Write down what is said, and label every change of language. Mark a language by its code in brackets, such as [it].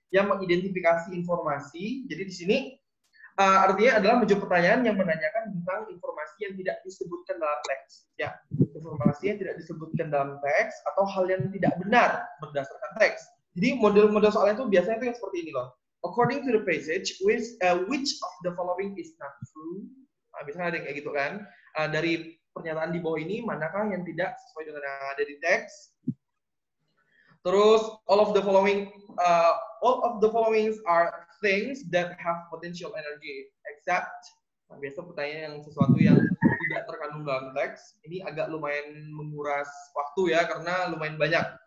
[id] Yang mengidentifikasi informasi. Jadi di sini, artinya adalah menjawab pertanyaan yang menanyakan tentang informasi yang tidak disebutkan dalam teks. Ya, informasi yang tidak disebutkan dalam teks atau hal yang tidak benar berdasarkan teks. Jadi model-model soalnya itu biasanya itu yang seperti ini loh. [en] According to the passage, which of the following is not true? [id] Biasanya ada yang kayak gitu kan. Dari pernyataan di bawah ini, manakah yang tidak sesuai dengan yang ada di teks? Terus, [en] all of the following are things that have potential energy, except, [id] biasa pertanyaan yang sesuatu yang tidak terkandung dalam teks, ini agak lumayan menguras waktu ya, karena lumayan banyak.